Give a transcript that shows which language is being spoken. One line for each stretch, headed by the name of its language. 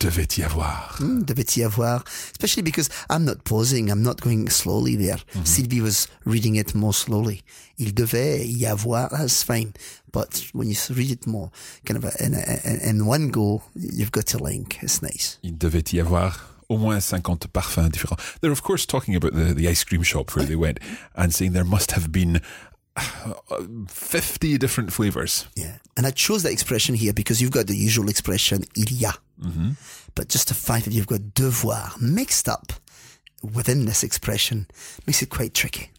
French: Devait y avoir. Devait y avoir.
English: Especially because I'm not pausing, I'm not going slowly there. Mm-hmm. Sylvie was reading it more slowly.
French: Il devait y avoir,
English: that's fine. But when you read it more, kind of in one go, you've got to link, it's nice.
French: Il devait y avoir au moins 50 parfums différents.
English: They're of course talking about the ice cream shop where they went and saying there must have been 50 different flavors. Yeah, and I chose that expression here because you've got the usual expression,
French: il y a.
English: Mm-hmm. But just the fact that you've got devoir mixed up within this expression makes it quite tricky.